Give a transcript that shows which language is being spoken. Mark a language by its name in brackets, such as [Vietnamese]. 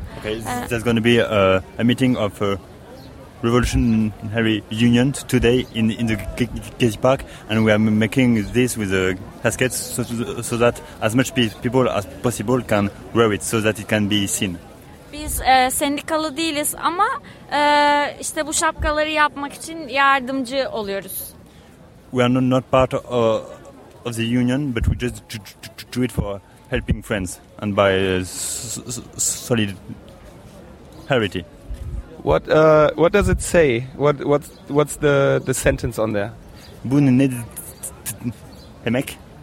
[English] Okay, there's going to be a meeting of revolutionary unions today in the Gezi Park, and we are making this with the caskets so that as much people as possible can wear it so that it can be seen. [Turkish] Biz sendikalı değiliz ama işte bu şapkaları yapmak için yardımcı oluyoruz. [English] We are not part of the union, but we just do it for helping friends and by solidarity. What does it say? What's the sentence on there? [Turkish] Bunu ne demek?